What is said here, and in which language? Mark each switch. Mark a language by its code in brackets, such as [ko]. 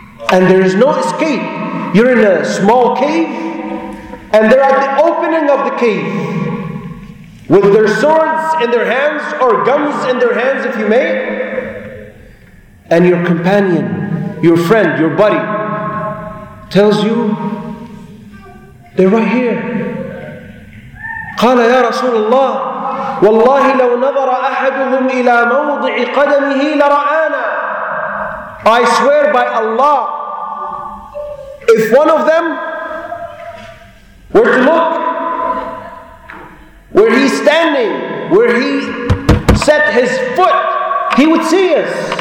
[en] And there is no escape. You're in a small cave, and they're at the opening of the cave with their swords in their hands, or guns in their hands if you may. And your companion, your friend, your buddy tells you, they're right here. [ar] قال يا رسول الله والله لو نظر أحدهم إلى موضع قدمه لرآنا. [en] I swear by Allah, if one of them were to look where he's standing, where he set his foot, he would see us.